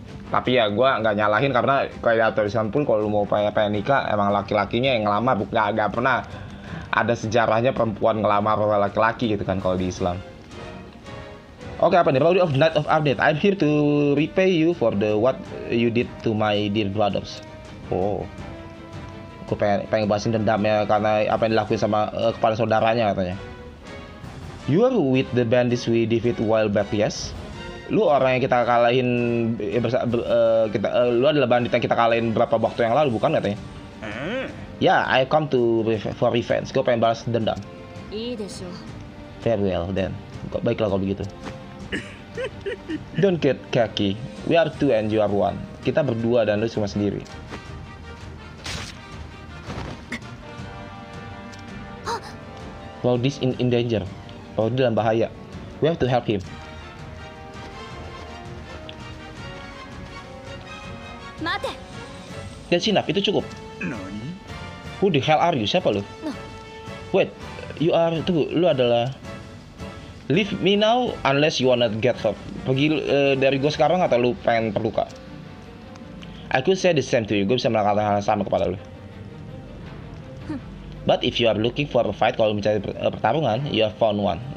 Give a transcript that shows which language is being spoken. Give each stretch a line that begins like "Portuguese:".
Indonesian: Tapi ya gue gak nyalahin karena kayak aturisan pun kalau lu mau pengen nikah emang laki-lakinya yang ngelamar. Gak pernah ada sejarahnya perempuan ngelamar laki-laki gitu kan kalau di Islam. Oke, apa nih?
English: Rowdy of the Night of Update. I'm here to repay you for the what you did to my dear brothers. Oh.
Indonesian: Gue pengen bahasin dendamnya karena apa yang dilakuin sama kepada saudaranya katanya.
English: You are with the bandits we defeat while back, yes?
Indonesian: Lu orang yang kita kalahin, lu adalah bandit yang kita kalahin berapa waktu yang lalu, bukan katanya?
English: Ya, yeah, I come to for revenge.
Indonesian: Gue pengen balas dendam.
English: Farewell, then.
Indonesian: Baiklah kalau begitu.
English: Don't get cocky. We are two and you are one.
Indonesian: Kita berdua dan lu cuma sendiri.
English: Rodis in danger.
Indonesian: Rodis dalam bahaya.
English: We have to help him. That's enough,
Indonesian: itu cukup.
English: Who the hell are you?
Indonesian: Siapa lu?
English: Wait, you are...
Indonesian: Tunggu, lu adalah...
English: Leave me now unless you wanna get hurt.
Indonesian: Pergi dari gua sekarang atau lu pengen terluka?
English: I could say the same to you.
Indonesian: Gua bisa melakukan hal sama kepada lu.
English: But if you are looking for a fight,
Indonesian: kalau mencari pertarungan,
English: you have found one.